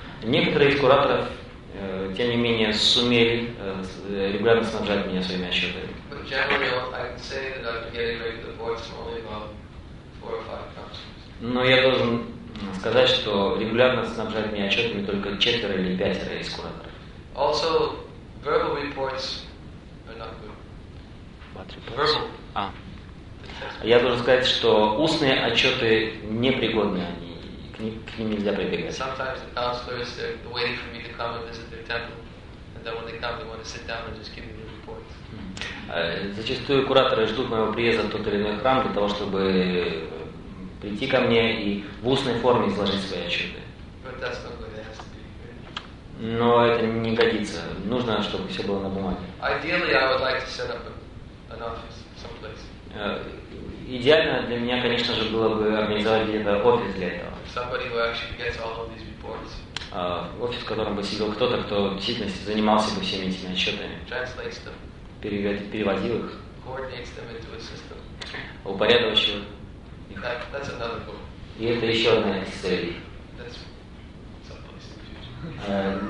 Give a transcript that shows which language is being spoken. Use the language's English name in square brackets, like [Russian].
[Russian] Некоторые из кураторов, тем не менее, сумели регулярно снабжать меня своими отчетами. [English] But generally, I can say that I've been getting regular reports from only about 4 or 5 companies. [Russian] Но я должен сказать, что регулярно снабжают меня отчетами только 4 или 5 из кураторов. [English] Also, verbal reports are not good. What reports? Verbal. [Russian] Я должен сказать, что устные отчеты непригодны они. К ним нельзя прибегать. [English] Sometimes the counselors are waiting for me to come and visit their temple, and then when they come, they want to sit down and just give me the reports. [Russian] Зачастую кураторы ждут моего приезда в тот или иной храм для того, чтобы прийти ко мне и в устной форме изложить свои отчеты. [English] But that's not good. It has to be. [Russian] Но это не годится. Нужно, чтобы все было на бумаге. [English] Ideally, I would like to set up an office someplace. [Russian] Идеально для меня, конечно же, было бы организовать где-то офис для этого. [English] Somebody who actually gets all of these reports. [Russian] Офис, в котором бы сидел кто-то, кто действительно занимался бы всеми этими отчетами. [English] Translates them. [Russian] Переводил их. [English] Coordinates them into a system. [Russian] Упорядочил их. [English] That's another goal. [Russian] И это еще одна из целей. [English] That's someplace in the future.